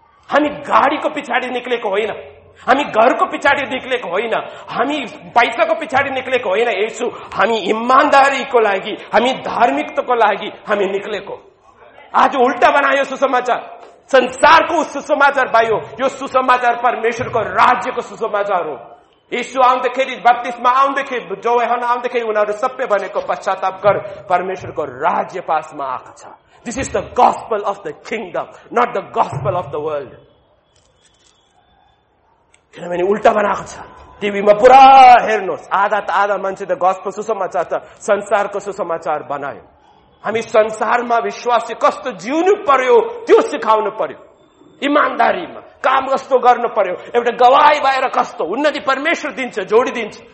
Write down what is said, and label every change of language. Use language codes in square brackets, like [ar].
[ne] हामी गाडीको पछाडि निक्लेको होइन, हामी घरको पछाडि निक्लेको होइन, हामी पैसाको पछाडि निक्लेको होइन यीशु, हामी इमानदारीको लागि, हामी धार्मिकताको लागि हामी निक्लेको। आज उल्टा बनायो सुसमाचार, संसारको सुसमाचार भयो, यो सुसमाचार परमेश्वरको राज्यको सुसमाचार हो। यीशु आउँदाखेरि बत्तीसमा आउँदाखेरि जोहान आउँदाखेरि उनीहरू सबै भनेको पश्चाताप गर, परमेश्वरको राज्य पासमा आएको छ। [en] This is the gospel of the kingdom, not the gospel of the world. [ne] किनभने उल्टा बनाएको छ, टिभीमा पुरा हेर्नुहोस्, आधा त आधा मान्छे त गस्पल सुसमाचार त संसारको सुसमाचार बनायो। हामी संसारमा विश्वासी कस्तो जिउनु पर्यो त्यो सिकाउनु पर्यो, इमानदारीमा काम कस्तो गर्नु पर्यो, एउटा गवाही भएर कस्तो उन्नति परमेश्वर दिन्छ, जोडिदिन्छ।